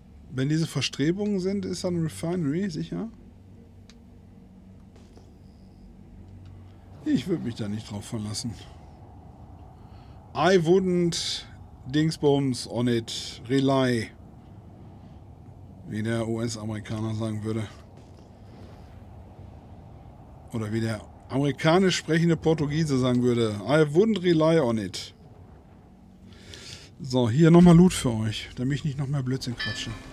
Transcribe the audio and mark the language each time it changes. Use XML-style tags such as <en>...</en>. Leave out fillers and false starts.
<de>Wenn diese Verstrebungen sind, ist dann Refinery sicher. Ich würde mich da nicht drauf verlassen.</de> <en>I wouldn't Dingsbums on it rely.</en> <de>Wie der US-Amerikaner sagen würde. Oder wie der amerikanisch sprechende Portugiese sagen würde.</de> <en>I wouldn't rely on it.</en> <de>So, hier nochmal Loot für euch, damit ich nicht noch mehr Blödsinn quatsche.</de>